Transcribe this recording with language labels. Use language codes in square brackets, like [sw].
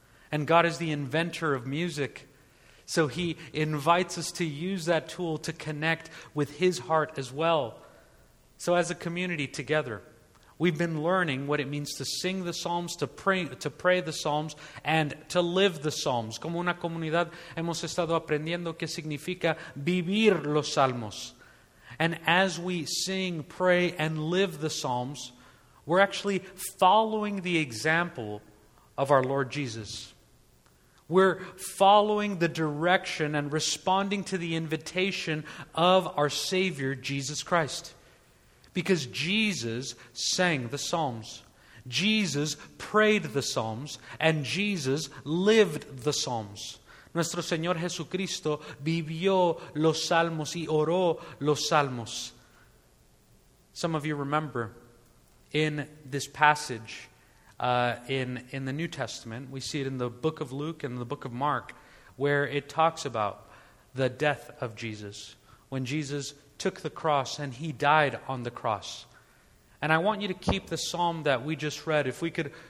[en] And God is the inventor of music. So He invites us to use that tool to connect with His heart as well. So as a community together, we've been learning what it means to sing the Psalms, to pray the Psalms, and to live the Psalms. [es] Como una comunidad, hemos estado aprendiendo qué significa vivir los Salmos. [en] And as we sing, pray, and live the Psalms, we're actually following the example of our Lord Jesus. We're following the direction and responding to the invitation of our Savior, Jesus Christ. Because Jesus sang the Psalms. Jesus prayed the Psalms. And Jesus lived the Psalms. [es] Nuestro Señor Jesucristo vivió los salmos y oró los salmos. [en] Some of you remember in this passage in the New Testament, we see it in the book of Luke and the book of Mark, where it talks about the death of Jesus, when Jesus took the cross and He died on the cross. And I want you to keep the psalm that we just read. If we could